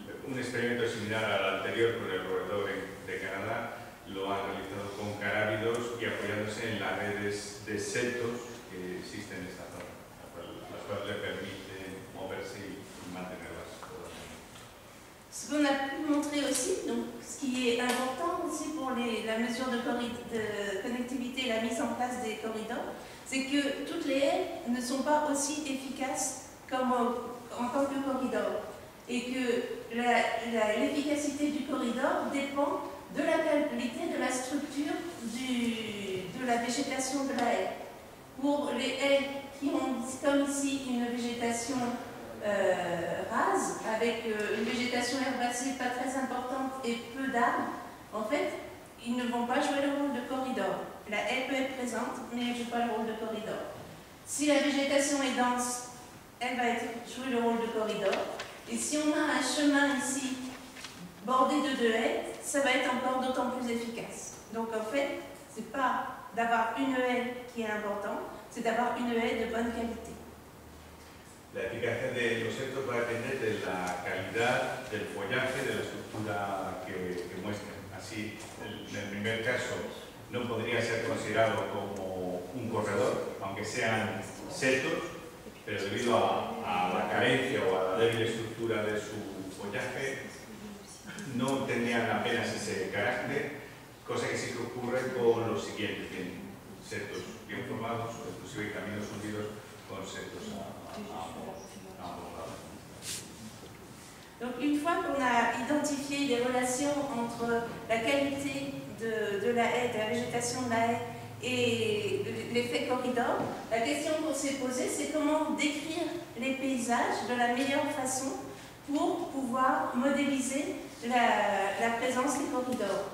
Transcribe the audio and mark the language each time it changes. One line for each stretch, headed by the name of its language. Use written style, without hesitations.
Spanish: Un experimento similar al anterior con el roedor de Canadá lo han realizado con carábidos y apoyándose en las redes de setos que existen en esta zona, las cuales le permiten moverse y mantenerlas todas.
French: Ce qu'on a pu montrer aussi, donc, ce qui est important aussi pour la mesure de connectivité et la mise en place des corridors, c'est que toutes les haies ne sont pas aussi efficaces en tant que corridor. Et que l'efficacité du corridor dépend de la qualité de la structure de la végétation de la haie. Pour les haies qui ont, comme ici, une végétation rase, avec une végétation herbacée pas très importante et peu d'arbres, en fait, ils ne vont pas jouer le rôle de corridor. La haie peut être présente, mais elle ne joue pas le rôle de corridor. Si la végétation est dense, elle va jouer le rôle de corridor. Et si on a un chemin ici bordé de deux haies, ça va être encore d'autant plus efficace. Donc en fait, ce n'est pas d'avoir une haie qui est importante, c'est d'avoir une haie de bonne qualité.
Spanish: La efficacité de los setos va depender de la calidad del follaje, de la estructura que muestran. Así, en el primer caso, no podría ser considerado como un corredor, aunque sean setos, pero debido a la carencia o a la débil estructura de su follaje, no tendrían apenas ese carácter, cosa que sí que ocurre con los siguientes, que tienen setos bien formados, inclusive caminos hundidos con setos a ambos lados.
French: Donc une fois qu'on a identifié les relations entre la qualité de la haie, de la végétation de la haie et l'effet corridor, la question qu'on s'est posée, c'est comment décrire les paysages de la meilleure façon pour pouvoir modéliser la présence des corridors.